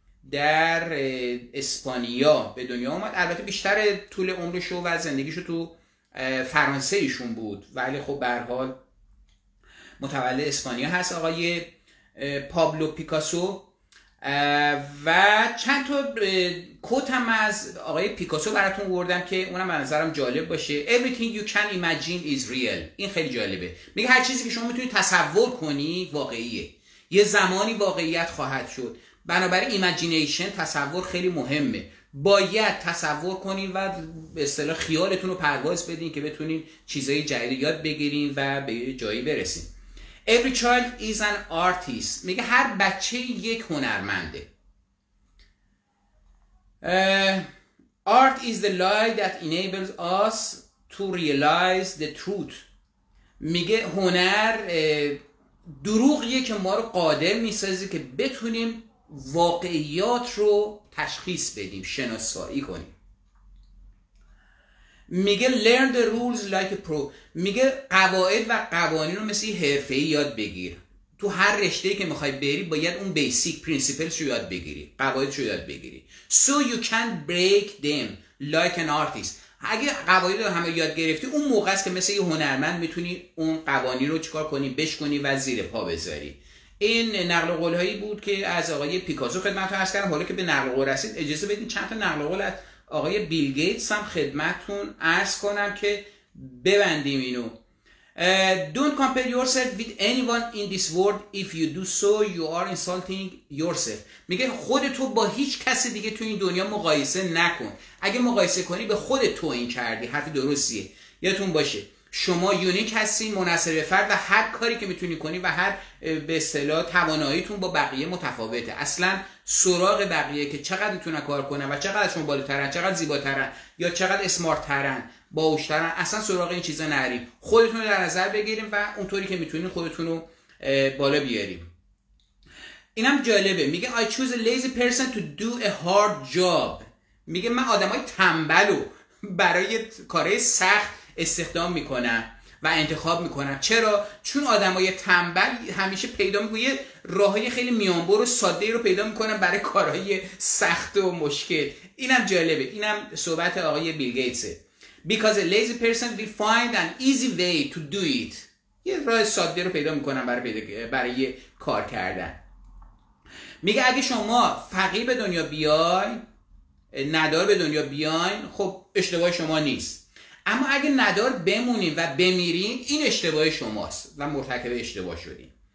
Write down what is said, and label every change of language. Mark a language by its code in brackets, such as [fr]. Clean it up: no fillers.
[fa] در اسپانیا به دنیا اومد. البته بیشتر طول عمرش و زندگیش تو فرانسه ایشون بود، ولی خب به هر حال متولد اسپانیا هست آقای پابلو پیکاسو. و چند تا کوت هم از آقای پیکاسو براتون آوردم که اونم به نظرم جالب باشه. [en] Everything you can imagine is real. [fa] این خیلی جالبه، میگه هر چیزی که شما میتونید تصور کنی واقعیه، یه زمانی واقعیت خواهد شد. بنابراین imagination، تصور خیلی مهمه، باید تصور کنین و به اصطلاح خیالتون رو پرواز بدین که بتونین چیزای جدید یاد بگیرین و به جایی برسین. [en] Every child is an artist. [fa] میگه هر بچه یک هنرمنده. [en] Art is the light that enables us to realize the truth. [fa] میگه هنر دروغیه که ما رو قادر میسازه که بتونیم واقعیات رو تشخیص بدیم، شناسایی کنیم. [en] میگه learn the rules like a pro. [fa] میگه قواعد و قوانین رو مثل یه حرفه‌ای یاد بگیر. تو هر رشته‌ای که میخوای بری باید اون [en] basic principles [fa] رو یاد بگیری، قواعد رو یاد بگیری. [en] So you can break them like an artist. [fa] اگه قواعد رو همه یاد گرفتی، اون موقع است که مثل یه هنرمند میتونی اون قوانین رو چیکار کنی، بشکنی و زیر پا بذاری. این نقل قولهایی بود که از آقای پیکاسو خدمت رو عرض کردم. حالا که به نقل قول رسید، اجازه بدین چند تا نقل قول از آقای بیل گیتس هم خدمتون عرض کنم که ببندیم اینو. [en] Don't compare yourself with anyone in this world. If you do so, you are insulting yourself. [fa] میگه خودتو با هیچ کس دیگه تو این دنیا مقایسه نکن. اگه مقایسه کنی به خودت توهین کردی. حرف درستیه، یادتون باشه شما یونیک هستین، منحصر به فرد، و هر کاری که میتونی کنی و هر به اصطلاح تواناییتون با بقیه متفاوته. اصلا سراغ بقیه که چقدر میتونن کار کنن و چقدر شما بالاترن، چقدر زیباترن یا چقدر اسمارترن، باوشترن، اصلا سراغ این چیزا نریم. خودتون رو در نظر بگیریم و اونطوری که میتونین خودتون رو بالا بیاریم. اینم جالبه، میگه [en] I choose a lazy person to do a hard job. [fa] میگه من آدمای تنبل رو برای کارهای سخت استخدام میکنم و انتخاب میکنم. چرا؟ چون آدمای تنبل همیشه پیدا میکنن یه راههای خیلی میانبر و ساده رو پیدا میکنن برای کارهای سخت و مشکل. اینم جالبه، اینم صحبت آقای بیل گیتسه. [en] Because a lazy person will find an easy way to do it. [fa] یه راه ساده رو پیدا میکنن برای کار کردن. میگه اگه شما فقیر به دنیا بیای، ندار به دنیا بیاین، خب اشتباه شما نیست. اما اگه ندار بمونیم و بمیریم، این اشتباه شماست و مرتکب اشتباه شدیم.